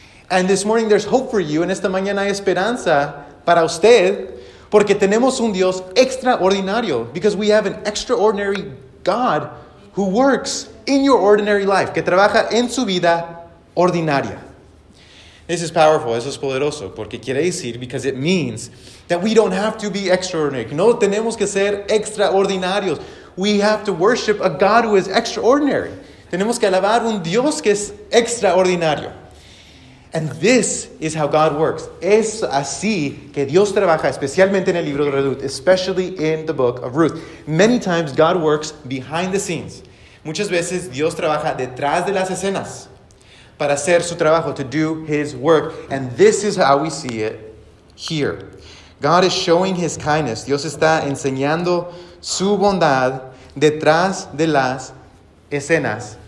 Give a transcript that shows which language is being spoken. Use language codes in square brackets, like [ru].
[en] And this morning there's hope for you, and [es] esta mañana hay esperanza para usted, porque tenemos un Dios extraordinario, [en] because we have an extraordinary God who works in your ordinary life, [es] que trabaja en su vida ordinaria. [en] This is powerful, [es] eso es poderoso, porque quiere decir, [en] because it means that we don't have to be extraordinary. [es] No tenemos que ser extraordinarios. [en] We have to worship a God who is extraordinary. [es] Tenemos que alabar un Dios que es extraordinario. [en] And this is how God works. [es] Es así que Dios trabaja, especialmente en el libro de Ruth, [en] especially in the book of Ruth. Many times God works behind the scenes. [es] Muchas veces Dios trabaja detrás de las escenas para hacer su trabajo, [en] to do his work. And this is how we see it here. God is showing his kindness. [es] Dios está enseñando su bondad detrás de las escenas